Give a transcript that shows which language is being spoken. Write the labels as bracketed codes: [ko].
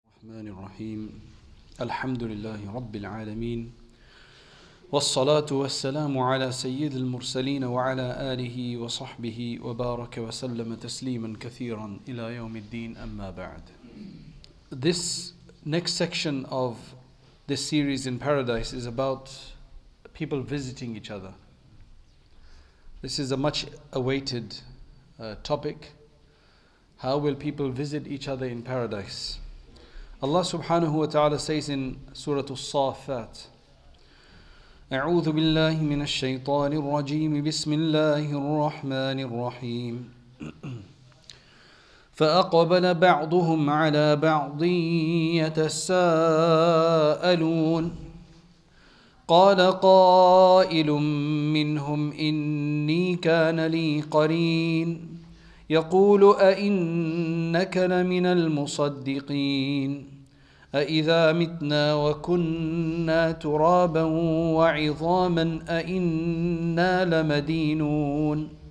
[ar] الرحمن الرحيم الحمد لله رب العالمين والصلاة والسلام على سيد المرسلين وعلى آله وصحبه وبارك وسلم تسليما كثيرا إلى يوم الدين أما بعد. [en] This next section of this series in paradise is about people visiting each other. This is a much awaited topic. How will people visit each other in paradise? Allah subhanahu wa ta'ala says in Surah As-Saffat, [ar] أعوذ بالله من الشيطان الرجيم بسم الله الرحمن الرحيم فأقبل بعضهم على بعض يتساءلون قال قائل منهم إني كان لي قرين يقول أئنك لمن المصدقين أَإِذَا مِتْنَا وَكُنَّا تُرَابًا وَعِظَامًا أَإِنَّا لَمَدِينُونَ